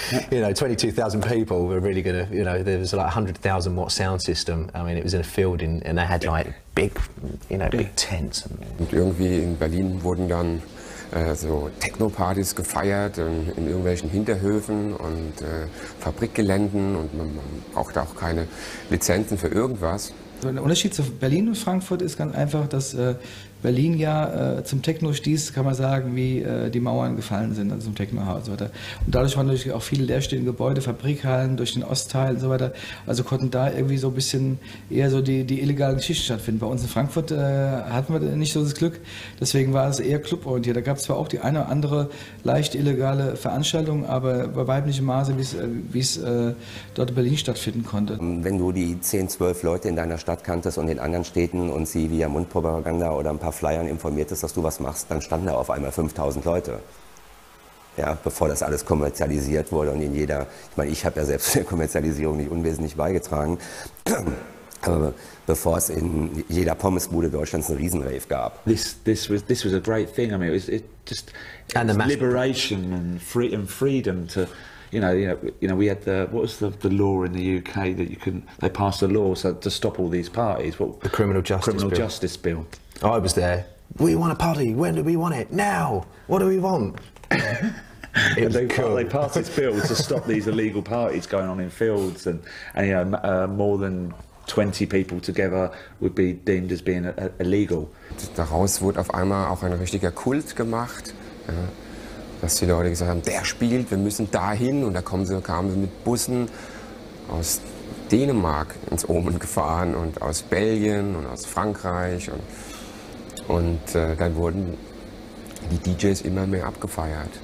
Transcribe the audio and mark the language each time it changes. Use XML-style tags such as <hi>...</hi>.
<en>You know, 22,000 people were really gonna, you know, there was like 100,000 watt sound system. I mean, it was in a field and they had like big, you know, big tents.</en> <de>Und irgendwie in Berlin wurden dann so Techno-Partys gefeiert in irgendwelchen Hinterhöfen und Fabrikgeländen und man braucht auch keine Lizenzen für irgendwas. Also der Unterschied zu Berlin und Frankfurt ist ganz einfach, dass Berlin ja zum Techno stieß, kann man sagen, wie die Mauern gefallen sind, also zum Technohaus und so weiter. Und dadurch waren natürlich auch viele leerstehende Gebäude, Fabrikhallen durch den Ostteil und so weiter. Also konnten da irgendwie so ein bisschen eher so die illegalen Geschichten stattfinden. Bei uns in Frankfurt hatten wir nicht so das Glück, deswegen war es eher cluborientiert. Da gab es zwar auch die eine oder andere leicht illegale Veranstaltung, aber bei weitem nicht im Maße, wie es dort in Berlin stattfinden konnte. Wenn du die 10, 12 Leute in deiner Stadt kanntest und in anderen Städten und sie via Mundpropaganda oder ein paar Flyern informiert ist, dass du was machst, dann standen da auf einmal 5000 Leute. Ja, bevor das alles kommerzialisiert wurde und in jeder, ich meine, ich habe ja selbst der Kommerzialisierung nicht unwesentlich beigetragen, aber bevor es in jeder Pommesbude Deutschlands einen Riesenrave gab.</de> <en>This was a great thing. I mean, it was liberation and freedom to, you know, we had the, what was the law in the UK that you couldn't, they passed a law so to stop all these parties. What, the Criminal Justice Bill. I was there. We want a party. When do we want it? Now. What do we want? They passed this bill to stop these illegal parties going on in fields, and you know, more than 20 people together would be deemed as being illegal.</en> <de>Daraus wurde auf einmal auch ein richtiger Kult gemacht, ja, dass die Leute gesagt haben, der spielt, wir müssen dahin, und da kamen sie mit Bussen aus Dänemark ins Omen gefahren und aus Belgien und aus Frankreich und dann wurden die DJs immer mehr abgefeiert.</de>